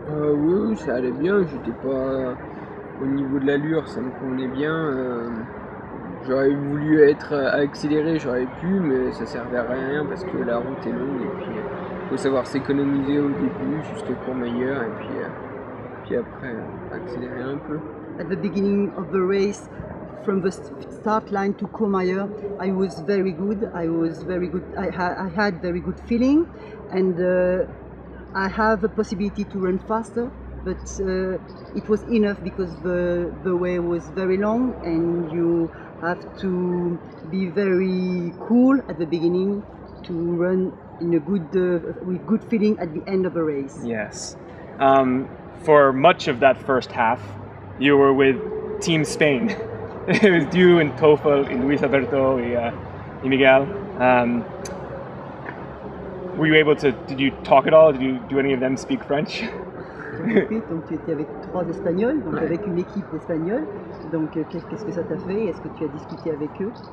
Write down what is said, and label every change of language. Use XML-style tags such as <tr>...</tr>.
<fr>Oui, ça allait bien, j'étais pas au niveau de l'allure, ça me convenait bien. J'aurais voulu être accéléré, j'aurais pu, mais ça servait à rien parce que la route est longue et puis faut savoir s'économiser au début jusqu'au cours meilleur et puis, après accélérer un peu.</fr> <en>At the beginning of the race, from the start line to Courmayeur, I was very good. I had very good feeling and I have a possibility to run faster, but it was enough because the way was very long and you have to be very cool at the beginning to run in a good with good feeling at the end of a race. Yes. For much of that first half, you were with Team Spain. It was you and Tofel and Luis Alberto and Miguel. Were you able to, did you talk at all? Do any of them speak French?</en> <fr>Donc tu étais avec trois Espagnols, donc avec une équipe d'Espagnols. Donc qu'est-ce que ça t'a fait? Est-ce que tu as discuté avec eux?</fr>